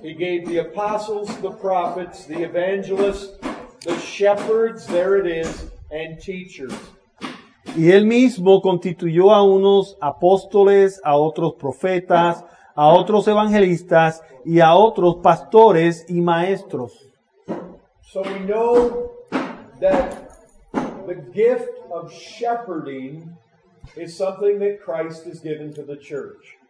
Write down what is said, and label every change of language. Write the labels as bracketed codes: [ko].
[en] He gave the apostles, the prophets, the evangelists, the shepherds, there it is, and teachers. [es] Y él mismo constituyó a unos apóstoles, a otros profetas, a otros evangelistas y a otros pastores y maestros. [en] So we know that the gift of shepherding is something that Christ has given to the church.